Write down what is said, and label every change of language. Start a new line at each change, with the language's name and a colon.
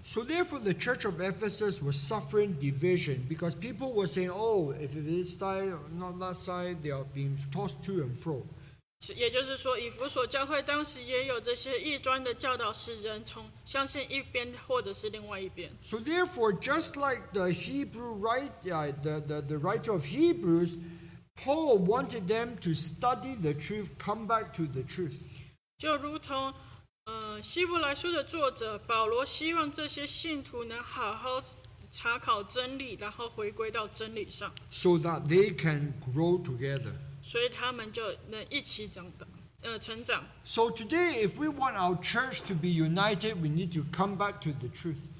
English: So therefore, the church of Ephesus was suffering division because people were saying, "Oh, if this side, not that side, they are being tossed to and fro."
Chinese: 也就是说，以弗所教会当时也有这些异端的教导，使人从相信一边或者是另外一边。
English: So therefore, just like the Hebrew writer, the writer of Hebrews. Paul wanted them to study the truth, come back to the truth.
Chinese: 就如同希伯来书的作者保罗希望这些信徒能好好查考真理，然后回归到真理上。
English: So that they can grow together.
Chinese: 所以他们就能一起长大，成长。
English: So today, if we want our church to be united, we need to come back to the truth.